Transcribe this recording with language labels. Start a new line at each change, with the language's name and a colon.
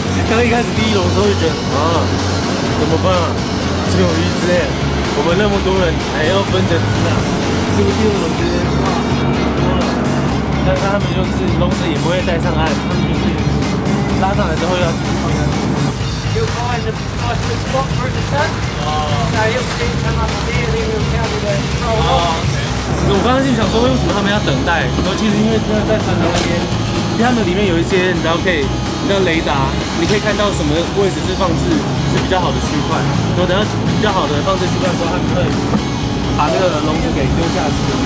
Chinese: 刚一开始第一笼的时候就觉得啊，怎么办啊？只有一只哎，我们那么多人还要分着吃啊？这个第二笼子哇，多了。但是他们就是笼子也不会带上岸，他们就是拉上来之后要放下去。
English: You'll find the spot for the sun. Now you'll see them up there, and you'll count them.
Chinese: 我刚刚就想说，为什么他们要等待？然后其实因为真的在船头那边。他们里面有一些，你知道可以，你知道雷达，你可以看到什么位置是放置是比较好的区块。然后等到比较好的放置区块之后，他们会把那个笼子给丢下去。